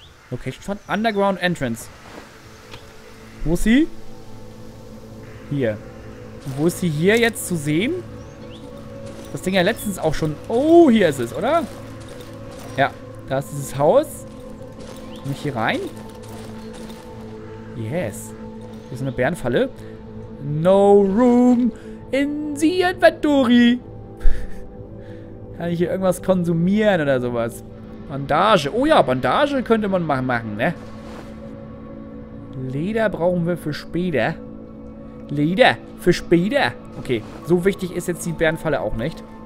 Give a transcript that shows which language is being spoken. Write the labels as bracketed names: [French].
[German] Location von Underground Entrance. Wo ist sie? Hier. Wo ist sie hier jetzt zu sehen? Das Ding ja letztens auch schon... Oh, hier ist es, oder? Ja, da ist dieses Haus. Komm ich hier rein? Yes. Hier ist eine Bärenfalle. [English] No room in the inventory. [German] Kann ich hier irgendwas konsumieren oder sowas? Bandage. Oh ja, Bandage könnte man machen, ne? Leder brauchen wir für später. Leder für später. Okay, so wichtig ist jetzt die Bärenfalle auch nicht.